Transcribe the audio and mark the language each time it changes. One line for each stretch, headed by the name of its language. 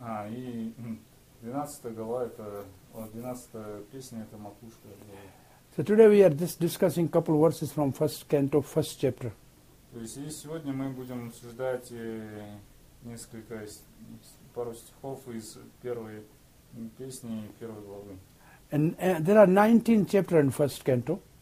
Russian: И 12th глава это 12th песня это макушка.
English: So today we are just discussing couple verses from first canto, first chapter.
Russian: То есть сегодня мы будем обсуждать несколько пару стихов из первой песни и первой главы.
English: And there are 19 chapters in first canto.